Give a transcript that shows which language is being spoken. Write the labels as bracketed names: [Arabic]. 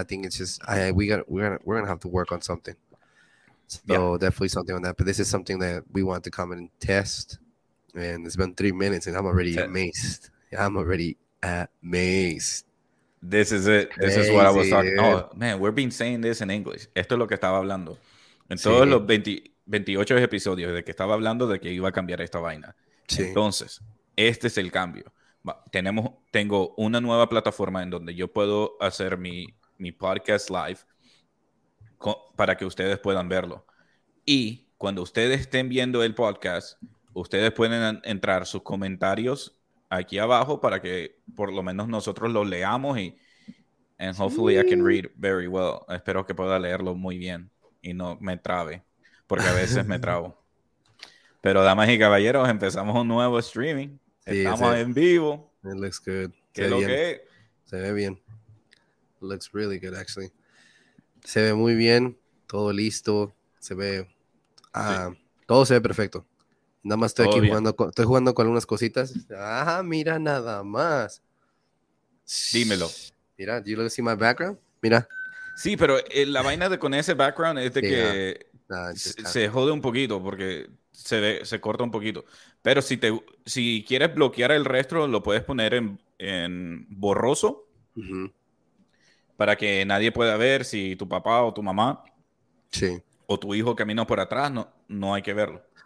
[English] I think it's just we're gonna have to work on something. Definitely something on that. But this is something that we want to come and test. And it's been 3 minutes, and I'm already amazed. This is it. This is what I was talking about. Oh, man, we're been saying this in English. [Spanish] Esto es lo que estaba hablando. En todos los 28 episodios de que estaba hablando de que iba a cambiar esta vaina. Sí. Entonces, este es el cambio. Tengo una nueva plataforma en donde yo puedo hacer mi podcast live para que ustedes puedan verlo. Y cuando ustedes estén viendo el podcast, ustedes pueden entrar sus comentarios aquí abajo para que por lo menos nosotros los leamos [English] and hopefully I can read very well. [Spanish] Espero que pueda leerlo muy bien y no me trabe, porque a veces me trabo. Pero damas y caballeros, empezamos un nuevo streaming. Estamos en vivo. [English] It looks good. [Spanish] ¿Qué lo que? Se ve bien. [English] Looks really good, actually. [Spanish] Se ve muy bien. Todo listo. Se ve... todo se ve perfecto. Nada más estoy jugando con algunas cositas. Ah, mira nada más. Dímelo. Mira, [English] do you look to see my background? Mira. [Spanish] Sí, pero la vaina de con ese background es de que se jode un poquito porque se corta un poquito. Pero si quieres bloquear el resto, lo puedes poner en borroso. Para que nadie pueda ver si tu papá o tu mamá o tu hijo camina por atrás, no hay que verlo.